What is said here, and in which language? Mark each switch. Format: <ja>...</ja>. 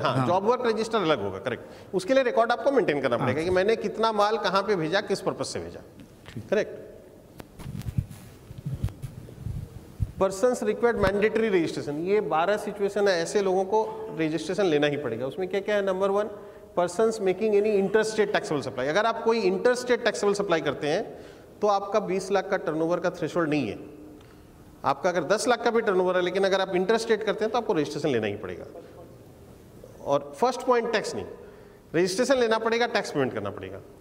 <hi>हाँ, job work register अलग होगा. करेक्ट. उसके लिए रिकॉर्ड आपको मेंटेन करना पड़ेगा कि मैंने कितना माल कहाँ पे भेजा, किस पर्पज से भेजा. Correct.</hi> <en>persons required mandatory registration.</en> <hi>ये 12 situation है, ऐसे लोगों को registration लेना ही पड़ेगा. उसमें क्या क्या है?</hi> <en>Number one, persons making any interstate taxable supply.</en> <hi>अगर आप कोई interstate taxable supply करते हैं तो आपका 20 लाख का turnover का threshold नहीं है. आपका अगर 10 लाख का भी turnover है लेकिन अगर आप interstate करते हैं तो आपको registration लेना ही पड़ेगा. और first point tax नहीं, registration लेना पड़ेगा, tax payment करना पड़ेगा.</hi>